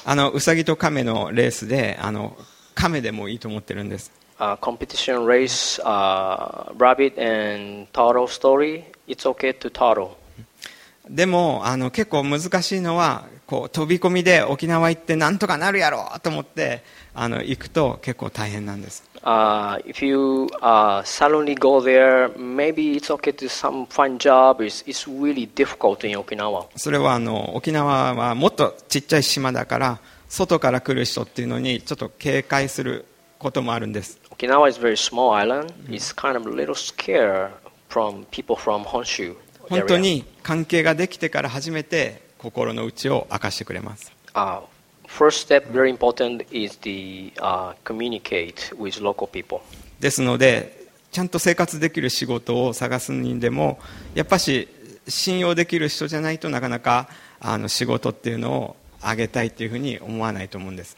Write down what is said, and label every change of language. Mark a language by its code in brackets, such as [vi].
[ja] うさぎと亀のレースで亀でもいいと思ってるんです。 [en] Competition race, rabbit and turtle story. It's okay to turtle. [ja] でも結構難しいのはこう飛び込みで沖縄行ってなんとかなるやろと思って行くと結構大変なんです。 [en] If you suddenly go there, maybe it's okay to some find job. It's really difficult in Okinawa. [ja] それは沖縄はもっとちっちゃい島だから外から来る人っていうのにちょっと警戒することもあるんです。 [en] Okinawa is a very small island. It's kind of a little scared from people from Honshu area. [ja] 本当に関係ができてから初めて心の内を明かしてくれます。 [en] First step, very important, is the, communicate with local people. [ja] ですのでちゃんと生活できる仕事を探す人でもやっぱし信用できる人じゃないとなかなか仕事っていうのをあげたいっていうふうに思わないと思うんです。